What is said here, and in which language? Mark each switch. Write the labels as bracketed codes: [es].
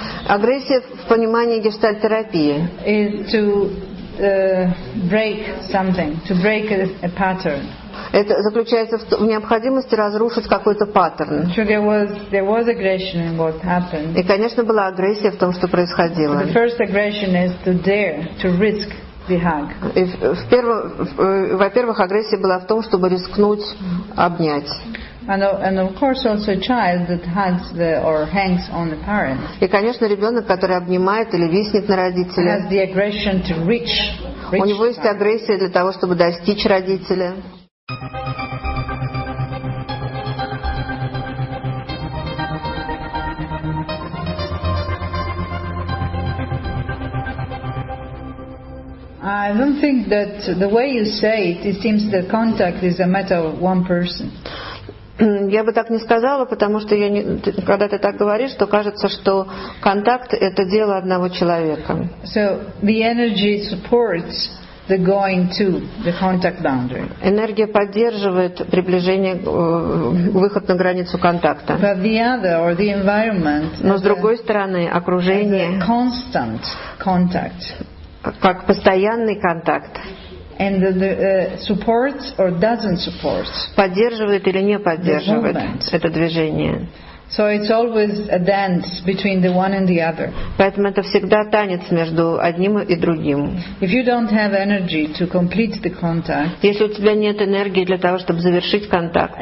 [ru] Агрессия в понимании гештальт-терапии. [en] Is to break something, to break a pattern. [ru] Это заключается в необходимости разрушить какой-то паттерн. [en] So there was aggression in what happened. [ru] И, конечно, была агрессия в том, что происходило. [en] The first aggression is to dare, to risk the hug. [ru] Во-первых, агрессия была в том, чтобы рискнуть обнять. [en] And of course also a child that hugs the or hangs on the parents. [ru] И, конечно, ребенок, который обнимает или виснет на родителя. [en] Has the aggression to reach. [ru] У него есть агрессия для того, чтобы достичь родителя. [en] I don't think that the way you say it, it seems that contact is a matter of one person. [ru] Я бы так не сказала, потому что когда ты так говоришь, то кажется, что контакт — это дело одного человека. [en] So the energy supports the going to the contact boundary. [ru] Энергия поддерживает приближение, выход на границу контакта. [en] But the other, or the environment, [ru] но, с другой стороны, окружение [en] — constant contact. [ru] Как постоянный контакт. [en] And the supports or doesn't support. [ru] Поддерживает или не поддерживает это движение. [en] So it's always a dance between the one and the other. [ru] Поэтому это всегда танец между одним и другим. [en] If you don't have energy to complete the contact, [ru] если у тебя нет энергии для того, чтобы завершить контакт,